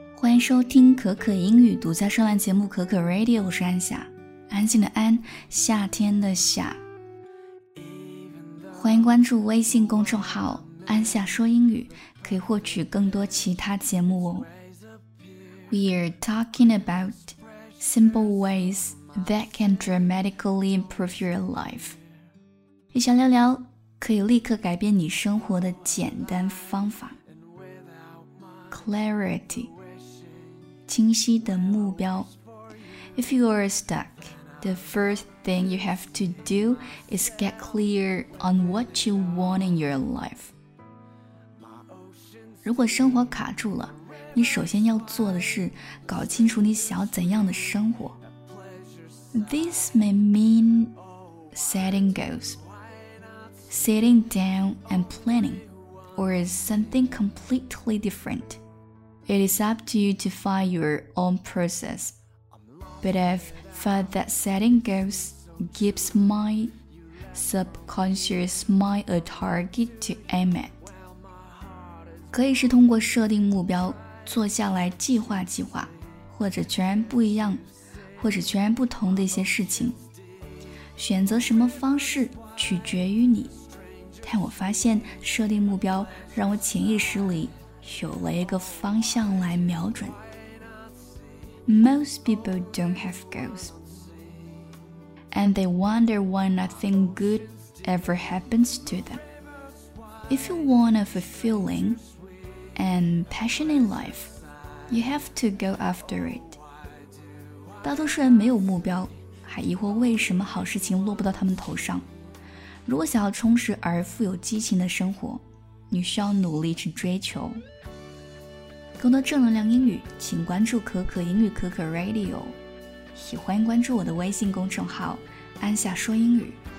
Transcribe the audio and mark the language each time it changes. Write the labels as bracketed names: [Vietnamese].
[Chinese] 迎收听可可英语独家上岸节目可可 Radio， 我是安夏，安静的安，夏天的夏。欢迎关注微信公众号安夏说英语，可以获取更多其他节目哦。 [English] We are talking about simple ways that can dramatically improve your life. [Chinese] 一起聊聊可以立刻改变你生活的简单方法。 Clarity， 清晰的目标。 [English] If you are stuck, the first thing you have to do is get clear on what you want in your life. [Chinese] 如果生活卡住了，你首先要做的是搞清楚你想要怎样的生活。 [English] This may mean setting goals, sitting down and planning, or something completely different. It is up to you to find your own process. But I've found that setting goals gives my subconscious mind a target to aim at. [Chinese] 可以是通过设定目标坐下来计划计划，或者全然不一样，或者全然不同的一些事情。选择什么方式取决于你，但我发现设定目标让我潜意识里有了一个方向来瞄准。 [English] Most people don't have goals, and they wonder why nothing good ever happens to them. If you want a fulfilling,and passion in life, you have to go after it. [Chinese] 大多数人没有目标，还疑惑为什么好事情落不到他们头上。如果想要充实而富有激情的生活，你需要努力去追求。更多正能量英语，请关注可可英语可可 Radio。喜欢关注我的微信公众号，安夏说英语。